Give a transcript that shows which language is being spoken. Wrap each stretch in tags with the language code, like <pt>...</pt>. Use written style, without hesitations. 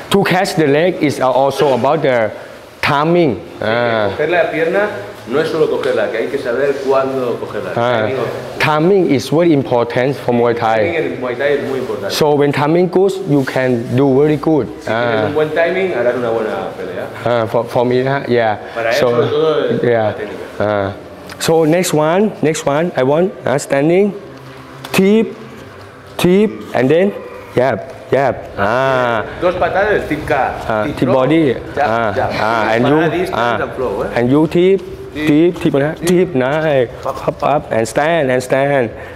<en>To catch the leg is also about the timing.</en> <es>Coger la pierna no es solo cogerla, que hay que saber cuándo cogerla.</es> <en>Timing is very important for Muay Thai. Timing in Muay Thai is</en> <es>muy importante.</es> <en>So when timing goes, you can do very good.</en> <es>Si tienes un buen timing, harás una buena pelea.</es> <en>For me, yeah.</en> <es>Para eso, sobre todo, es la técnica.</es> <en>So next one, I want standing, tip, and then, yep.</en> <es>Dos patadas, tip ka.</es> <en>Tip body. And you, flow, eh? And you tip, nice. Up, and stand.</en>